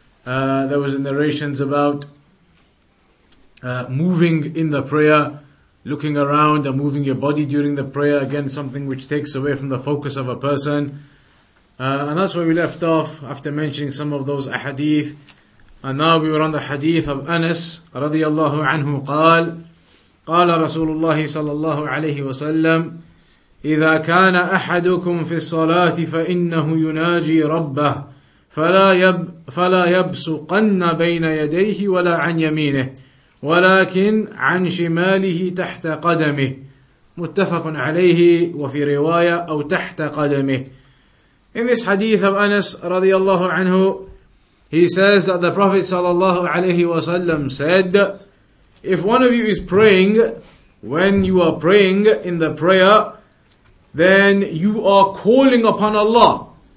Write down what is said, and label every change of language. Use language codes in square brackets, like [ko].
[en] There was a narrations about moving in the prayer, looking around and moving your body during the prayer. Again, something which takes away from the focus of a person. And that's where we left off after mentioning some of those ahadith. And now we were on the hadith of Anas radiallahu anhu qal. [ar] قال رسول الله صلى الله عليه وسلم إذا كان أحدكم في الصلاة فإنه يناجي ربه فلا يبسقن بين يديه ولا عن يمينه ولكن عن شماله تحت قدمه. متفق عليه وفي رواية أو تحت قدمه. [en] In this hadith of Anas [ar] رضي الله عنه, [en] he says that the Prophet [ar] صلى الله عليه وسلم [en] said, if one of you is praying, when you are praying in the prayer, then you are calling upon Allah.